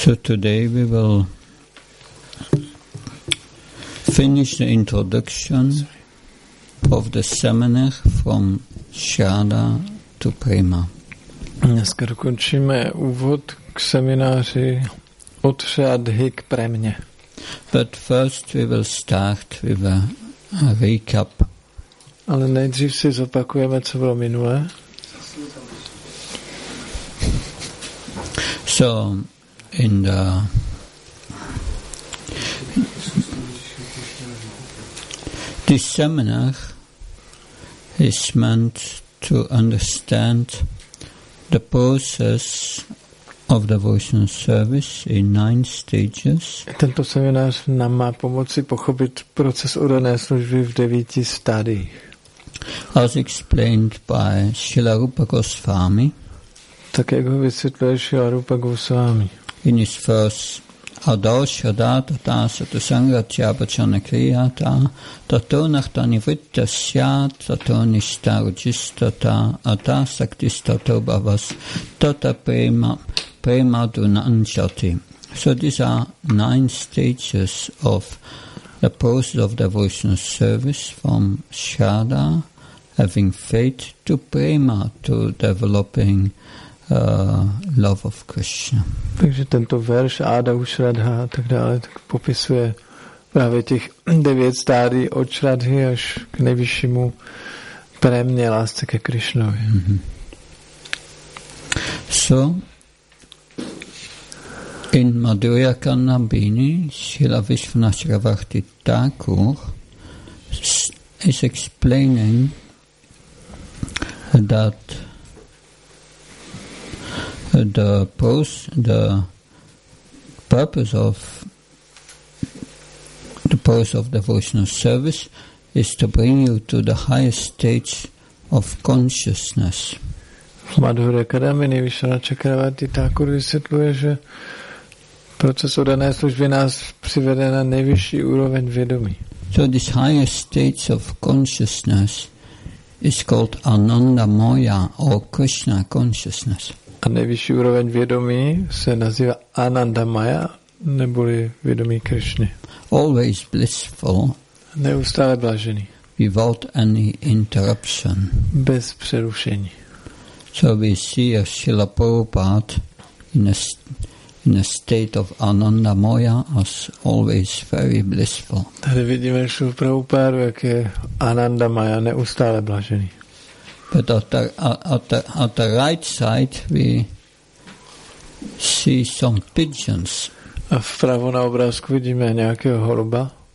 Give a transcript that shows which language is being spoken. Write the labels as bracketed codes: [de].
[en] So today we will finish the introduction of the seminar from Shraddha to Prema. [cs] Dneska dokončíme úvod k semináři od Shraddhy k Premě. [en] But first we will start with a recap. [cs] Ale nejdřív si zopakujeme, co bylo minulé. [en] So in the this seminar is meant to understand the process of devotional service in 9 stages. [cs] Tento seminář nám má pomoci pochopit proces oddané služby v 9 stádiích. [en] As explained by Srila Rupa Goswami. [cs] Tak jak ho vysvětluje Srila Rupa Goswami. [sa] In his first adosha data ta satu sangatya bachana kriyata tato nachtani vritta syat tato nishta rujistata ata saktistato bhavas tata prema prema dunanchati. [en] So these are 9 stages of the process of devotional service, from shraddha, having faith, to prema, to developing love of Krishna. [cs] Takže tento verš Ada Ušradha a tak dále tak popisuje právě těch 9 stádií od Šradhy až k nejvyššímu prémě lásce ke Krišnovi. [en] So in Madhurya Kannabini Srila Vishvanashravakti Thakur is explaining that the purpose of devotional service is to bring you to the highest stage of consciousness. [cs] Madhurya Kannabini Vishvanashravakti Thakur vysvětluje, že proces oddané služby nás přivede na nejvyšší úroveň vědomí. [en] So this highest stage of consciousness is called Anandamaya or Krishna consciousness. [cs] A nejvyšší úroveň vědomí se nazývá Anandamaya, neboli vědomí Krišny. [en] Always blissful. [cs] Neustále blažený. [en] Without any interruption. [cs] Bez přerušení. [en] So we see a Srila Prabhupada in a state of Anandamaya as always very blissful. [cs] Tady vidíme Srila Prabhupada, jak je Anandamaya, neustále blažený. [en] But at the right side we see some pigeons. [cs] A vpravo na obrázku vidíme nějakého holuba.